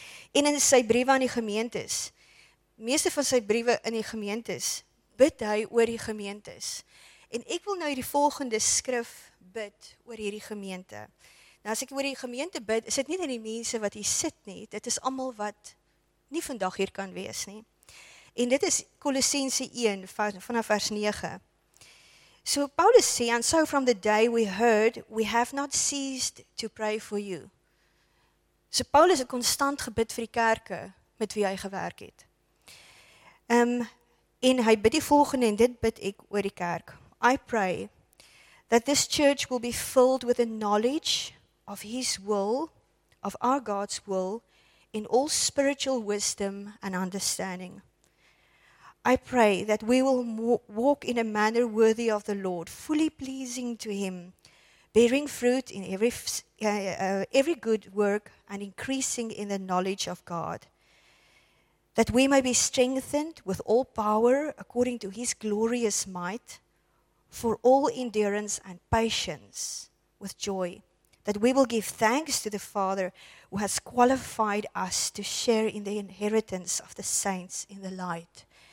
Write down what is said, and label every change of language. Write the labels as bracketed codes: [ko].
[af] En in sy briewe aan die gemeentes, meeste van sy briewe in die gemeentes, bid hy oor die gemeentes. En ek wil nou die volgende skrif bid oor hierdie gemeente. Nou as ek oor die gemeente bid, is dit nie net die mense wat hier sit nie, dit is almal wat nie vandag hier kan wees nie. En dit is Kolossense 1 vanaf vers 9. So Paulus sê, [en] and so from the day we heard, we have not ceased to pray for you. [af] So Paulus het constant gebid vir die kerke met wie hy gewerk het. En hy bid die volgende, en dit bid ek oor die kerk. [en] I pray that this church will be filled with the knowledge of his will, of our God's will, in all spiritual wisdom and understanding. I pray that we will walk in a manner worthy of the Lord, fully pleasing to Him, bearing fruit in every good work and increasing in the knowledge of God, that we may be strengthened with all power according to His glorious might, for all endurance and patience with joy, that we will give thanks to the Father who has qualified us to share in the inheritance of the saints in the light.